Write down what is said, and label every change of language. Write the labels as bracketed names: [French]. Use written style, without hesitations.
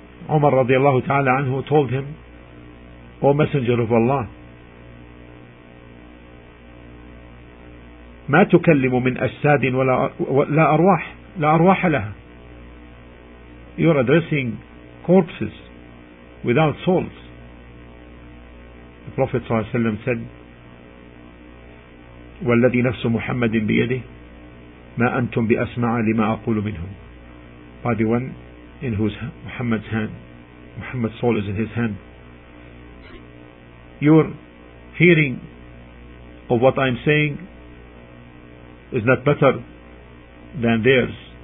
[English] Umar radiallahu ta'ala anhu told him, "O Messenger of Allah, [Arabic] ما تكلم من أجساد ولا أرواح لا أرواح لها." [English] You are addressing corpses without souls. The Prophet [Arabic] صلى الله عليه وسلم [English] said, [Arabic] والذي نفس محمد بيده ما أنتم بأسمع لما أقول منهم. [English] By the one in whose hand, Muhammad's hand, Muhammad's soul is in his hand, your hearing of what I'm saying is not better than theirs.